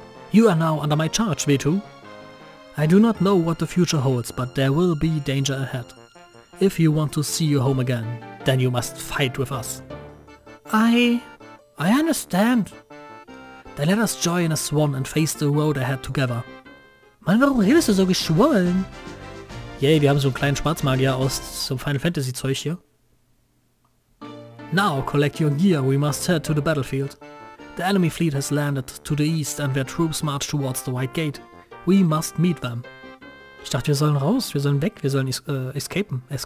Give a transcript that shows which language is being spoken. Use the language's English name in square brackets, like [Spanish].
[English] You are now under my charge, Vetu. I do not know what the future holds, but there will be danger ahead. If you want to see your home again, then you must fight with us. I understand. Then let us join a swan and face the road ahead together. [German] Mann, warum redest du so geschwollen? Yay, wir haben so einen kleinen Schwarzmagier aus so Final Fantasy Zeug hier. [English] Now collect your gear, we must head to the battlefield. The enemy fleet has landed to the east and their troops march towards the White Gate. We must meet them. [German] Ich dachte, wir sollen raus, wir sollen weg, wir sollen escapen.